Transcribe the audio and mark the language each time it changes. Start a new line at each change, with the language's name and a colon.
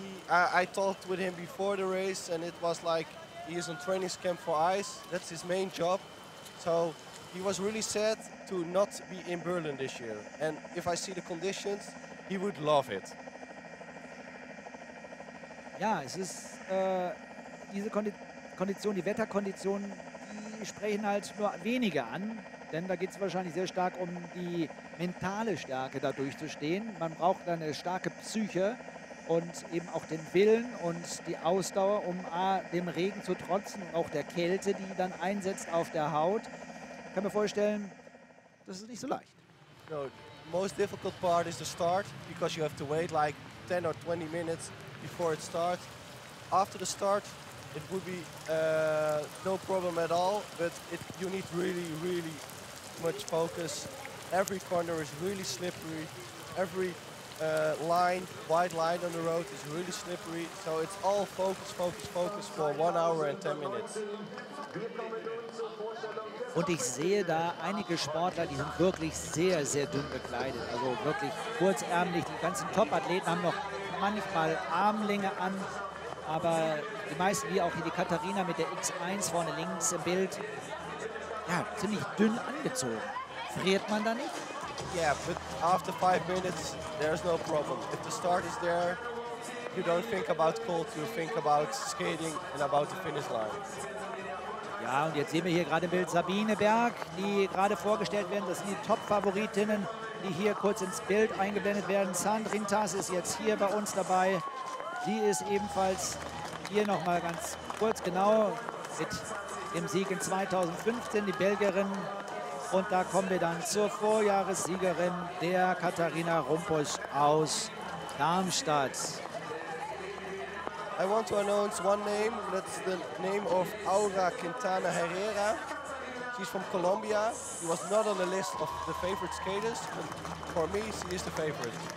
English: I talked with him before the race, and it was like he is on training camp for ICE. That's his main job. So he was really sad to not be in Berlin this year. And if I see the conditions, he would love it.
German: Ja, es ist diese Kondition, die Wetterkonditionen, die sprechen halt nur wenige an, denn da geht es wahrscheinlich sehr stark um die mentale Stärke, da durchzustehen. Man braucht eine starke Psyche und eben auch den Willen und die Ausdauer, um dem Regen zu trotzen und auch der Kälte, die dann einsetzt auf der Haut. Ich kann mir vorstellen, das ist nicht so leicht.
English: No, the most difficult part is the start, because you have to wait like 10 or 20 minutes before it starts. After the start, it would be no problem at all, but you need really, really much focus. Every corner is really slippery. Every line, wide line on the road is really slippery. So it's all focus, focus, focus for 1 hour and 10 minutes.
German: Und ich sehe da einige Sportler, die sind wirklich sehr, sehr dünn gekleidet. Also wirklich kurzärmlich. Die ganzen Top-Athleten haben noch manchmal Armlänge an. Aber die meisten, wie auch hier die Katharina mit der X1 vorne links im Bild, ja, ziemlich dünn angezogen. Friert man da nicht?
English: Yeah, but after 5 minutes, there's no problem. If the start is there, you don't think about cold, you think about skating and about the finish line.
German: Ja, und jetzt sehen wir hier gerade im Bild Sabine Berg, die gerade vorgestellt werden. Das sind die Top-Favoritinnen, die hier kurz ins Bild eingeblendet werden. Sandrine Tass ist jetzt hier bei uns dabei. Sie ist ebenfalls hier noch mal ganz kurz, genau, mit dem Sieg in 2015, die Belgierin. Und da kommen wir dann zur Vorjahressiegerin, der Katharina Rumpus aus Darmstadt.
English: I want to announce one name, that's the name of Aura Quintana Herrera. She's from Colombia. She was not on the list of the favorite skaters, but for me, she is the favorite.